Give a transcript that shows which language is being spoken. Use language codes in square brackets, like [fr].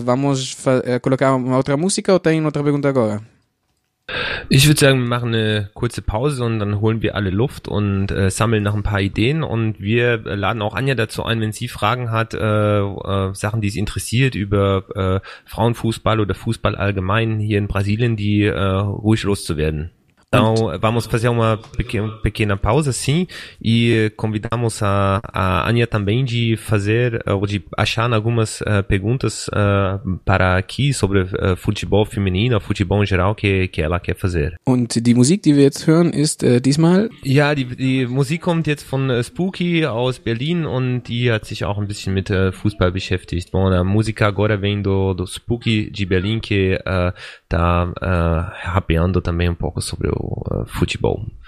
[pt] Vamos colocar uma outra música ou tem outra pergunta agora? [de] Ich würde sagen, wir machen eine kurze Pause und dann holen wir alle Luft und sammeln noch ein paar Ideen und wir laden auch Anja dazu ein, wenn sie Fragen hat, Sachen, die sie interessiert über Frauenfußball oder Fußball allgemein hier in Brasilien, die ruhig loszuwerden. [pt] Então, vamos fazer uma pequena pausa, sim, e convidamos a Anja também de fazer, ou de achar algumas perguntas para aqui sobre futebol feminino, futebol em geral, que ela quer fazer. [de] Und die Musik, die wir jetzt hören, ist diesmal? Ja, die Musik kommt jetzt von Spooky aus Berlin und die hat sich auch ein bisschen mit Fußball beschäftigt. [pt] Bom, a música agora vem do Spooky de Berlin, que tá rapeando também um pouco sobre futebol.